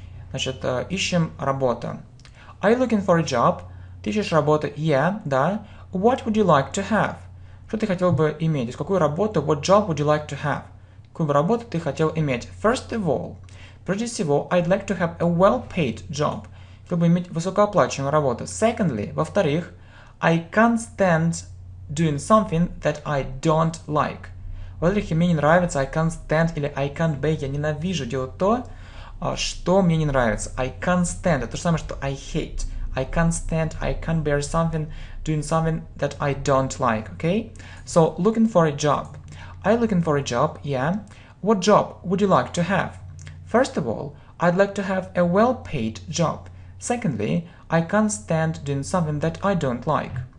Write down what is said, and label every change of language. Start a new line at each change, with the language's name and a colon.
Russian: Значит, ищем работу.
English: Are you looking for a job?
Russian: Ты ищешь работу?
English: Yeah,
Russian: да.
English: What would you like to have?
Russian: Что ты хотел бы иметь? Какую работу?
English: What job would you like to have?
Russian: Какую бы работу ты хотел иметь?
English: First of all,
Russian: прежде всего,
English: I'd like to have a well-paid job.
Russian: Хотел бы иметь высокооплачиваемую работу.
English: Secondly,
Russian: во-вторых,
English: I can't stand doing something that I don't like.
Russian: Во-вторых, мне не нравится,
English: I can't stand
Russian: или
English: I can't bear.
Russian: Я ненавижу делать то, что мне не нравится.
English: I can't stand.
Russian: Это то же самое, что
English: I hate. I can't stand, I can't bear something, doing something that I don't like. Okay? So, looking for a job. I'm looking for a job, yeah. What job would you like to have? First of all, I'd like to have a well-paid job. Secondly, I can't stand doing something that I don't like.